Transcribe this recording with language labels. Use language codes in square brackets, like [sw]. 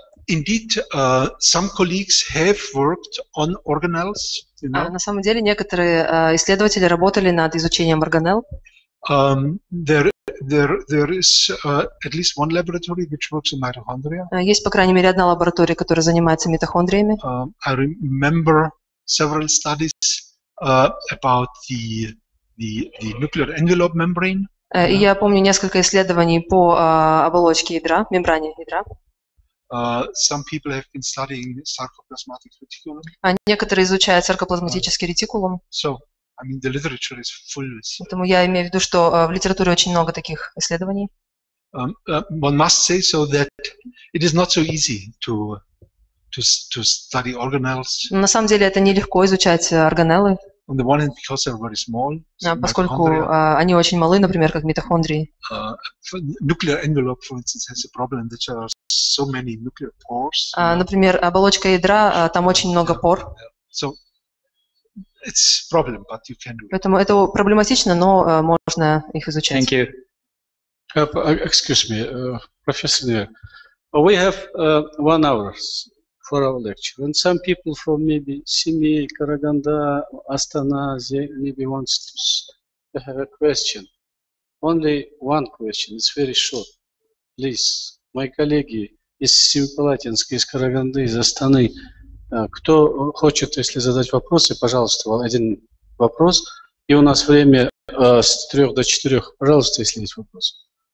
[en] Indeed, some colleagues have worked on organelles. You know? [ru] На самом деле некоторые исследователи работали над изучением органелл. [en] There is at least one laboratory which works in mitochondria. [ru] Есть по крайней мере одна лаборатория, которая занимается митохондриями. [en] I remember several studies about the nuclear envelope membrane. [ru] И я помню несколько исследований по оболочке ядра, мембране ядра. [en] Some people have been studying sarcoplasmatic reticulum. [ru] Некоторые изучают саркоплазматический ретикулум. [en] So, I mean, the literature is full with. [ru] Поэтому я имею в виду, что в литературе очень много таких исследований. [en] One must say so that it is not so easy to study organelles. [ru] На самом деле это нелегко изучать органеллы. [en] On the one hand, because they're very small. [ru] Поскольку они очень малы, например, как митохондрии. [en] Nuclear envelope, for instance, has a problem that there are so many nuclear pores. [ru] Например, оболочка ядра, там очень много пор. [en] So it's problem, but you can do it. [ru] Поэтому это проблематично, но можно их изучать. [en] Thank you. Excuse me, Professor Neer. We have 1 hour for our lecture, and some people from maybe Simi, Karaganda, Astana, they maybe wants to have a question. Only one question. It's very short. Please, my colleagues. [ru] Из Симпалатинска, из Караганды, из Астаны. Кто хочет, если задать вопросы, пожалуйста, один вопрос. И у нас время с 3 до 4. Пожалуйста, если есть вопрос.